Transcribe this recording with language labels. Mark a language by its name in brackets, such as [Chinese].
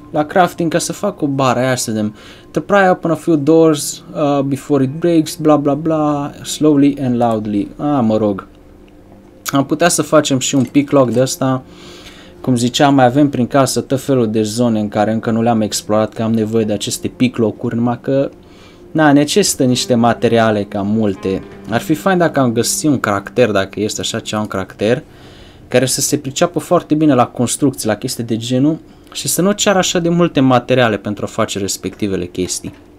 [Romanian] La crafting, ca să fac o bară, hai să vedem. [English] To pry open a few doors before it breaks, bla bla bla, slowly and loudly. [Romanian] Ah, mă rog. Am putea să facem și un picklock de asta. Cum ziceam, mai avem prin casă tot felul de zone în care încă nu le-am explorat, că am nevoie de aceste picklock-uri, numai că necesită niște materiale cam multe. Ar fi fain dacă am găsit un caracter, dacă este așa ceva un caracter, care să se priceapă foarte bine la construcții, la chestii de genul, și să nu ceară așa de multe materiale pentru a face respectivele chestii.